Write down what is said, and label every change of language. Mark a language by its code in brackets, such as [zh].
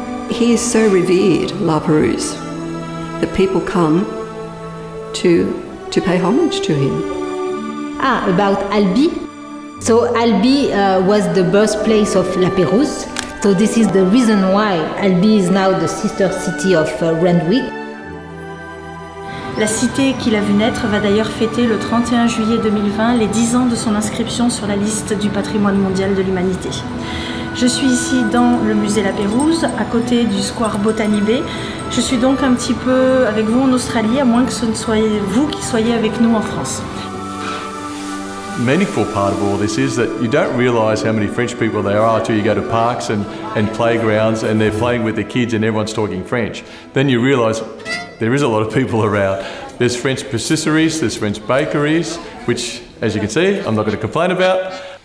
[en] He is so revered, La Perouse, that people come to pay homage to him. Ah, about Albi. So Albi was the birthplace of La Perouse. So this is the reason why Albi is now the sister city of Randwick. [fr] La cité qu'il a vu naître va d'ailleurs fêter le 31 juillet 2020 les 10 ans de son inscription sur la liste du patrimoine mondial de l'humanité. Je suis ici dans le musée La Perouse, à côté du square Botany Bay. Je suis donc un petit peu avec vous en Australie, à moins que ce ne soyez vous qui soyez avec nous en France. [en] Meaningful part of all this is that you don't realise how many French people there are until you go to parks and playgrounds and they're playing with their kids and everyone's talking French. Then you realise there is a lot of people around. There's French patisseries, there's French bakeries, which, as you can see, I'm not going to complain about.